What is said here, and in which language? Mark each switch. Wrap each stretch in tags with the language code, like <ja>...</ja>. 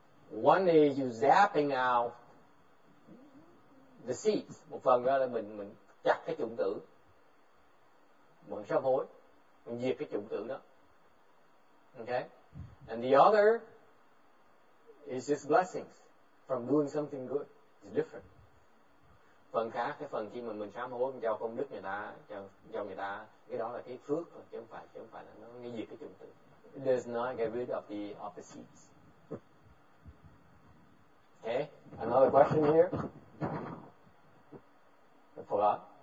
<en>One is you zapping out the seeds.</en> <vi>Một phần đó là mình chặt cái chủng tử. Mình sám hối. Mình diệt cái chủng tử đó.</vi> <en>Okay? And the other is just blessings from doing something good. It's different.</en> <vi>Phần khác, cái phần khi mà mình sám hối cho công đức người ta, cho người ta, cái đó là cái phước, chứ không phải là nó nghi diệt cái chủng tử.</vi> <en>It does not get rid of the seeds. Okay, another question here. The follow-up.</en>